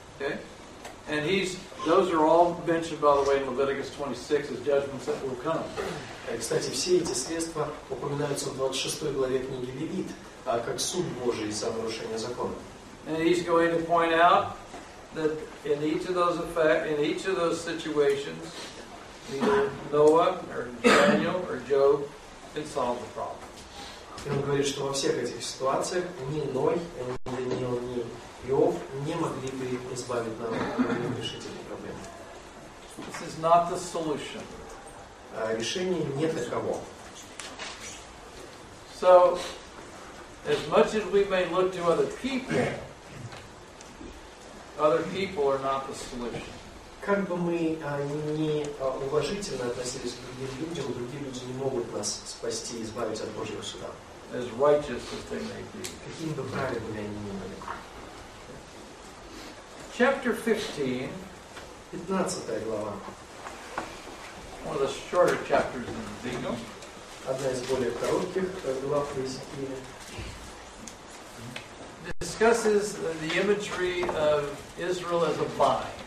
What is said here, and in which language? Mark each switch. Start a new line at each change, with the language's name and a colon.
English: Okay. And he's, those are all mentioned, by the way, in Leviticus 26 as judgments that will come.
Russian: Кстати, все эти средства упоминаются в 26 главе книги Левит, как суд Божий за нарушение закона.
English: And he's going to point out that in each of those effects, in each of those situations, either Noah or Daniel or Job can solve the problem.
Russian: И он говорит, что во всех этих ситуациях ни Ной, ни Даниил, ни Иов не могли бы избавить нам и решить эти проблемы.
English: This is not the solution.
Russian: Решение не таково.
English: So, as much as we may look to other people are not the solution.
Russian: Как бы мы не уважительно относились к другим людям не могут нас спасти и избавить от Божьего суда.
English: As righteous as they may be.
Russian: Каким бы правильными они ни были.
English: Chapter 15.
Russian: 15 глава.
English: One of the shorter chapters in the Bible.
Russian: Одна из более коротких глав в Иезекииле.
English: Discusses the imagery of Israel as a vine.